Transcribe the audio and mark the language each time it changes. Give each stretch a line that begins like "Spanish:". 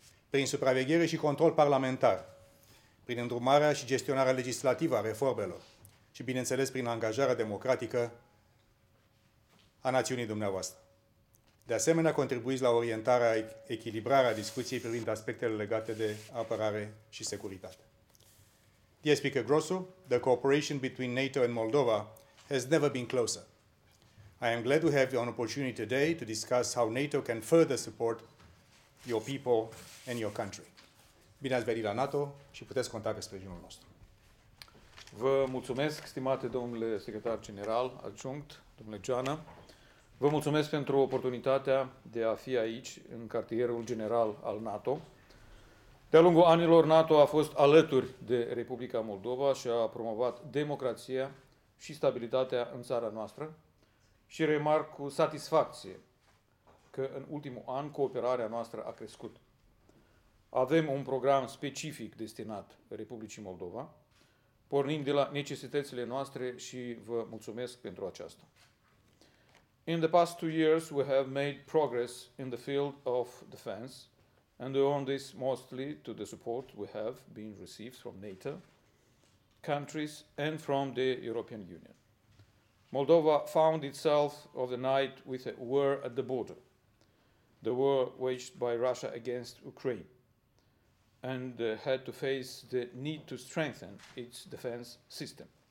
Romanian: Prin supraveghere și control parlamentar, prin îndrumarea și gestionarea legislativă a reformelor și, bineînțeles, prin angajarea democratică a națiunii dumneavoastră. De asemenea, contribuiți la orientarea, echilibrarea discuției privind aspectele legate de apărare și securitate.
English: Dear Speaker Grosu, the cooperation between NATO and Moldova has never been closer. I am glad to have an opportunity today to discuss how NATO can further support your people and your country.
Romanian: Bine ați venit la NATO și puteți conta pe sprijinul nostru. Vă mulțumesc, stimate domnule secretar general, adjunct, domnule Geoană. Vă mulțumesc pentru oportunitatea de a fi aici, în cartierul general al NATO. De-a lungul anilor, NATO a fost alături de Republica Moldova și a promovat democrația și stabilitatea în țara noastră și remarc cu satisfacție că în ultimul an cooperarea noastră a crescut. Avem un program specific destinat Republicii Moldova, pornind de la necesitățile noastre și vă mulțumesc pentru aceasta.
English: In the past 2 years, we have made progress in the field of defense and we owe this mostly to the support we have been received from NATO, countries and from the European Union. Moldova found itself of the night with a war at the border, the war waged by Russia against Ukraine, and had to face the need to strengthen its defense system.